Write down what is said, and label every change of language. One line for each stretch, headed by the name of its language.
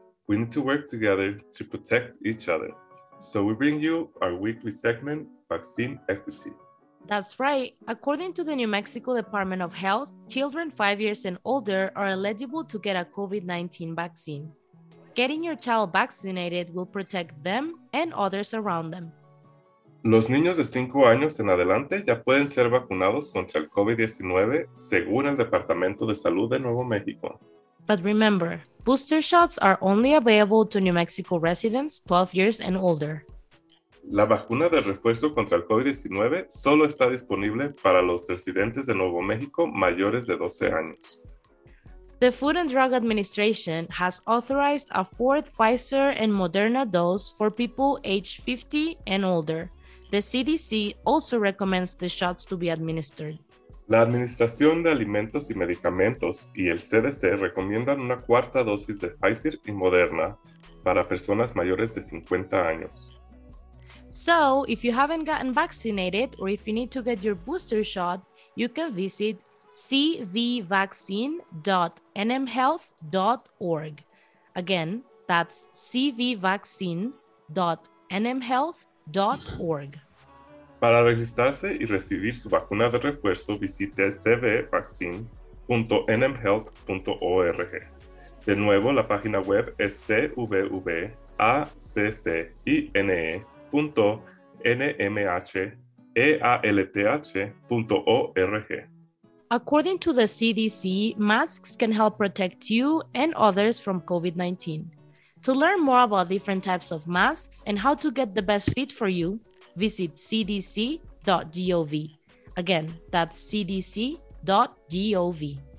English: We need to work together to protect each other. So we bring you our weekly segment, Vaccine Equity. That's right. According to the New Mexico Department of Health, children 5 years and older are eligible to get a COVID-19 vaccine. Getting your child vaccinated will protect them and others around them.
Spanish: Los niños de 5 años en adelante ya pueden ser vacunados contra el COVID-19, según el Departamento de Salud de Nuevo México.
English: But remember, booster shots are only available to New Mexico residents 12 years and older.
Spanish: La vacuna de refuerzo contra el COVID-19 solo está disponible para los residentes de Nuevo México mayores de 12 años.
English: The Food and Drug Administration has authorized a fourth Pfizer and Moderna dose for people age 50 and older. The CDC also recommends the shots to be administered.
Spanish: La Administración de Alimentos y Medicamentos y el CDC recomiendan una cuarta dosis de Pfizer y Moderna para personas mayores de 50 años.
English: So, if you haven't gotten vaccinated or if you need to get your booster shot, you can visit cvvaccine.nmhealth.org. Again, that's cvvaccine.nmhealth.org.
Spanish: Para registrarse y recibir su vacuna de refuerzo, visite cvvaccine.nmhealth.org. De nuevo, la página web es cvvaccine.nmhealth.org.
English: According to the CDC, masks can help protect you and others from COVID-19. To learn more about different types of masks and how to get the best fit for you, visit cdc.gov. Again, that's cdc.gov.